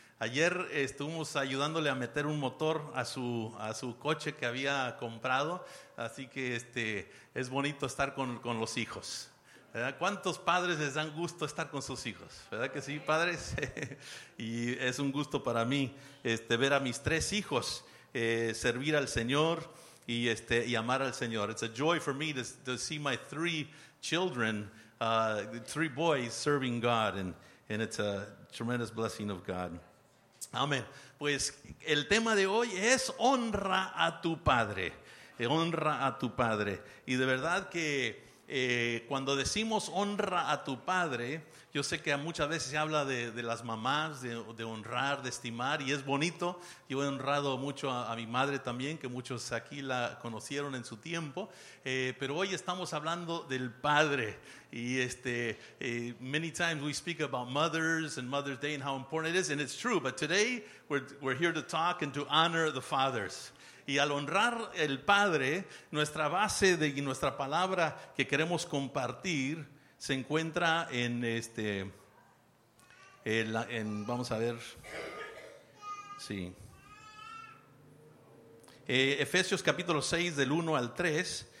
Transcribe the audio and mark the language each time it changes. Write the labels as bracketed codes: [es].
[es] Ayer estuvimos ayudándole a meter un motor a su coche que había comprado. Así que es bonito estar con los hijos. ¿Verdad? ¿Cuántos padres les dan gusto estar con sus hijos? ¿Verdad que sí, padres? Y es un gusto para mí ver a mis tres hijos servir al Señor. Y amar al Señor. [en] It's a joy for me to see my three children, three boys serving God, and it's a tremendous blessing of God. Amen. [es] Pues el tema de hoy es honra a tu padre. Honra a tu padre. Y de verdad que cuando decimos honra a tu padre, yo sé que muchas veces se habla de las mamás, de honrar, de estimar, y es bonito. Yo he honrado mucho a mi madre también, que muchos aquí la conocieron en su tiempo. Pero hoy estamos hablando del padre. [en] Y many times we speak about mothers and Mother's Day and how important it is, and it's true. But today we're here to talk and to honor the fathers. [es] Y al honrar el padre, nuestra base y nuestra palabra que queremos compartir se encuentra en Efesios capítulo 6 del 1 al 3.